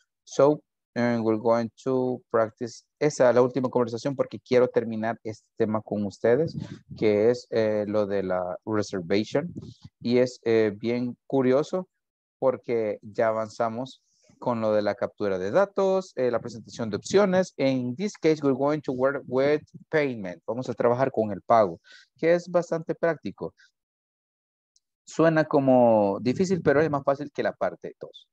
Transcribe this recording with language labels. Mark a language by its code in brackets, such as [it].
[en] So, and we're going to practice. [es] Esa es la última conversación porque quiero terminar este tema con ustedes, que es lo de la reservation. Y es bien curioso porque ya avanzamos con lo de la captura de datos, la presentación de opciones. [en] In this case, we're going to work with payment. [es] Vamos a trabajar con el pago, que es bastante práctico. Suena como difícil, pero es más fácil que la parte 2.